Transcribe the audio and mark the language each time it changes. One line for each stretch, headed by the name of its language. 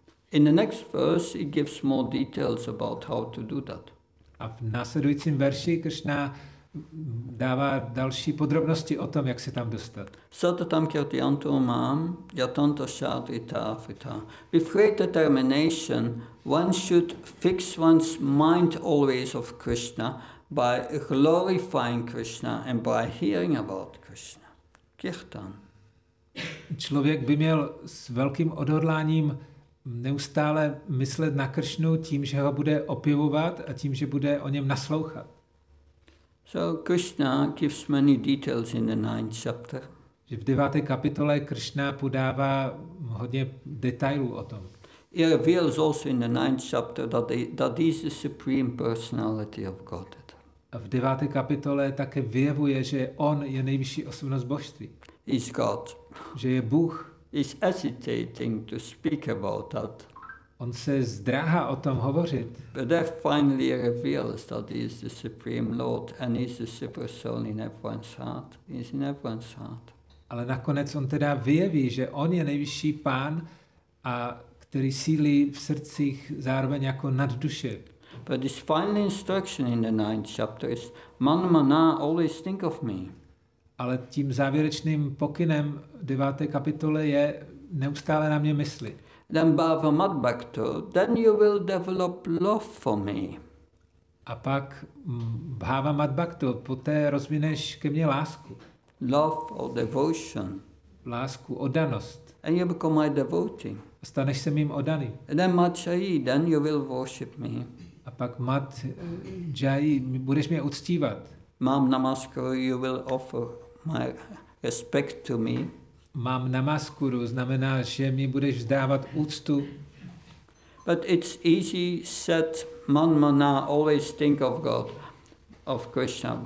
English: In the next verse it gives more details about how to do that.
Czech: A v následujícím verši Krishna dává další podrobnosti o tom, jak se tam dostat.
Sanskrit: Satatam kirtiyanto mam yatanta shadrita afrita.
English: With great determination, one should fix one's mind always of Krishna by glorifying Krishna and by hearing about Krishna. Kirtan.
Czech: Člověk by měl s velkým odhodláním neustále myslet na Kršnu tím, že ho bude opěvovat a tím, že bude o něm naslouchat.
English: So Krishna gives many details in the ninth chapter.
Czech: Že v 9. kapitole Kršna podává hodně detailů o tom.
English: He reveals also in the ninth chapter that he is the supreme personality of Godhead.
Czech: A v 9. kapitole také vyjevuje, že on je nejvyšší osobnost božství.
English: Is God.
Czech: Že je Bůh.
English: Is hesitating to speak about that.
Czech: On se zdráhá o tom hovořit.
English: But that finally reveals that he is the supreme Lord and he is the super soul in everyone's heart. He is in everyone's heart.
Czech: Ale nakonec on teda vyjeví, že on je nejvyšší pán a který sílí v srdcích zároveň jako nad duše.
English: But his final instruction in the ninth chapter is manmana, always think of me.
Czech: Ale tím závěrečným pokynem 9. kapitole je neustále na mě mysli.
English: Then Bhava Madbhakto, then you will develop love for me.
Czech: A pak Bhava Madbhakto, poté rozvineš ke mně lásku.
English: Love or devotion.
Czech: Lásku, oddanost.
English: And you become my devotee.
Czech: A staneš se mým oddaný.
English: And then Madhyayi, then you will worship me.
Czech: A pak Madhyayi, budeš mě uctívat. Mám
English: namaskuru, you will offer my respect to me.
Czech: Mám namaskuru, znamená, že mi budeš vzdávat úctu.
English: But it's easy said, manmana, always think of God, of Krishna.